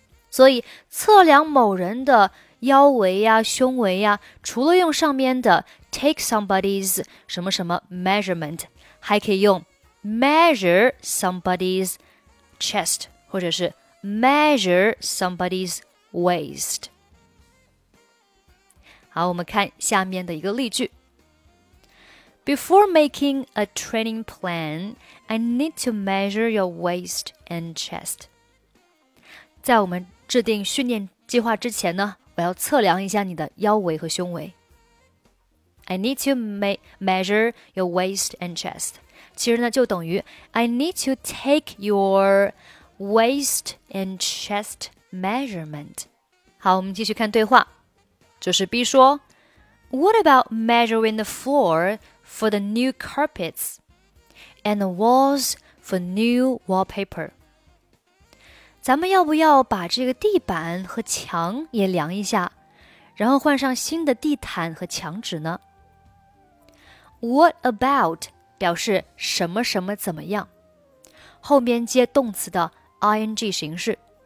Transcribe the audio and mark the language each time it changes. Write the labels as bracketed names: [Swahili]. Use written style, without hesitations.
[Chinese] 所以测量某人的腰围呀、胸围呀除了用上面的 [English] take somebody's [Chinese] 什么什么 [English] measurement, [Chinese] 还可以用 [English] measure somebody's chest, [Chinese] 或者是 [English] Measure somebody's waist. [Chinese] 好，我们看下面的一个例句。 [English] Before making a training plan, I need to measure your waist and chest. [Chinese] 在我们制定训练计划之前呢，我要测量一下你的腰围和胸围。 [English] I need to measure your waist and chest. [Chinese] 其实呢，就等于 [English] I need to take your... Waist and chest measurement. [Chinese] 好，我们继续看对话。这是 B 说 [English] What about measuring the floor for the new carpets and the walls for new wallpaper? [Chinese] 咱们要不要把这个地板和墙也量一下，然后换上新的地毯和墙纸呢？ [English] What about [Chinese] 表示什么什么怎么样，后面接动词的ing 形式。